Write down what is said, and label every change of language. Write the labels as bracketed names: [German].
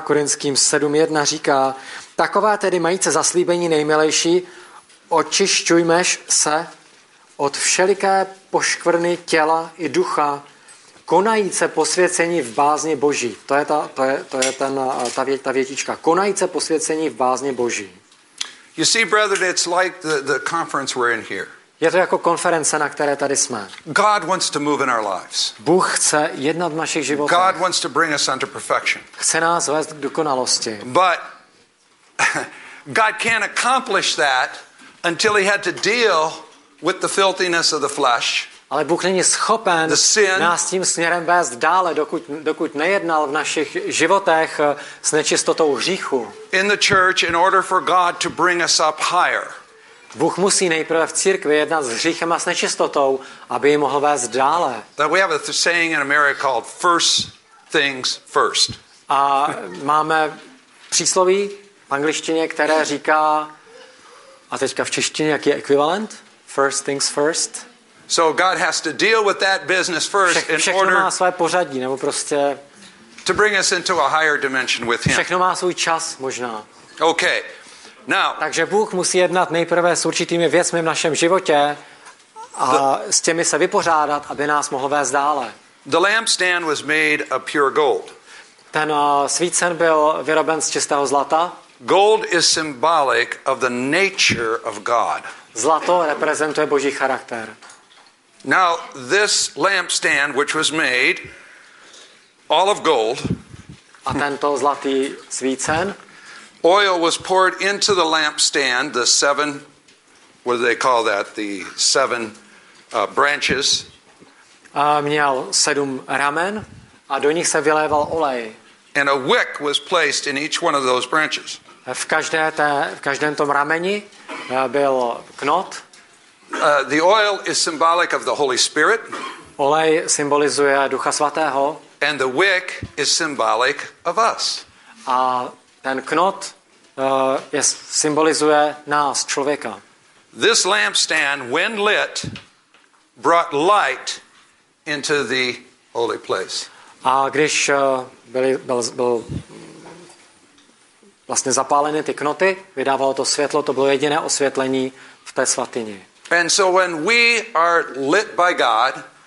[Czech] Korinským 7:1 říká: Taková tedy majíce zaslíbení nejmilejší, očišťujmeš se od všeliké poškvrny těla i ducha, konajíce posvěcení v bázni Boží. To je ta větička. Konajíce posvěcení v bázni Boží. [English] You see, brother, it's like the conference we're in here. [Czech] Je to jako konference, na které tady jsme. [English] God wants to move in our lives. [Czech] Bůh chce jednat v našich životech. [English] God wants to bring us unto perfection. [Czech] Chce nás vést k dokonalosti. [English] But God can't accomplish that until he had to deal with the filthiness of the flesh. [Czech] Ale Bůh není schopen nás tím směrem vést dále, dokud nejednal v našich životech s nečistotou hříchu. [English] In the church, in order for God to bring us up higher. [Czech] Bůh musí nejprve v církvi jednat s hříchem a s nečistotou, aby ji mohl vést dále. [English] That we have a saying in America called first things first. [Czech] A máme přísloví v angličtině, které říká, a teďka v češtině, jaký je ekvivalent? [English] First things first. So God has to deal with that business first in order [Czech] má své pořadí, nebo prostě [English] to bring us into a higher dimension with him. [Czech] Všechno má svůj čas možná. [English] Okay. Now, [Czech] takže Bůh musí jednat nejprve s určitými věcmi v našem životě a s těmi se vypořádat, aby nás mohl vést dále. [English] The lampstand was made of pure gold. [Czech] Ten svícen byl vyroben z čistého zlata. [English] Gold is symbolic of the nature of God. [Czech] Zlato reprezentuje Boží charakter. [English] Now, this lampstand, which was made all of gold, [Czech] a tento zlatý svícen, [English] oil was poured into the lampstand, the seven, what do they call that, the seven branches. [Czech] Měl sedm ramen a do nich se vyléval olej. [English] And a wick was placed in each one of those branches. [Czech] V každém tom rameni byl knot. [English] The oil is symbolic of the Holy Spirit. [Czech] Olej symbolizuje Ducha Svatého. [English] And the wick is symbolic of us. [Czech] A ten knot symbolizuje nás, člověka. [English] This lampstand, when lit, brought light into the holy place. [Czech] A když byl vlastně zapáleny ty knoty, vydávalo to světlo, to bylo jediné osvětlení v té svatyni. [English] And so when we are lit by God,